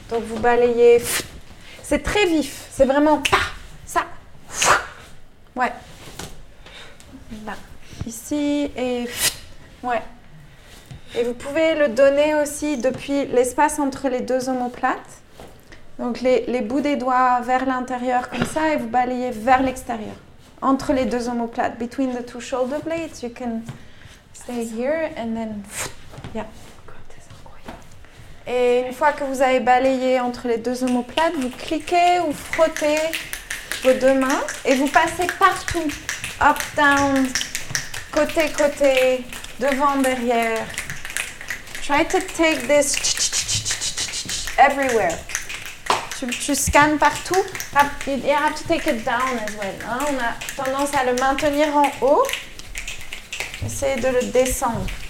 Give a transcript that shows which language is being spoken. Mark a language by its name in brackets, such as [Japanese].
[French] Donc vous balayez. C'est très vif. C'est vraiment pas ça. Ouais. Là. Ici et... Ouais. Et vous pouvez le donner aussi depuis l'espace entre les deux omoplates. Donc les bouts des doigts vers l'intérieur comme ça et vous balayez vers l'extérieur. Entre les deux omoplates. [English] Between the two shoulder blades, you can stay here and then... Yeah. [French] Et une fois que vous avez balayé entre les deux omoplates, vous cliquez ou frottez vos deux mains et vous passez partout. [English] Up, down, [French] côté, côté, devant, derrière. [English] Try to take this everywhere. [French] Tu scannes partout. [English] You have to take it down as well. [French] Hein? On a tendance à le maintenir en haut. Essayez de le descendre.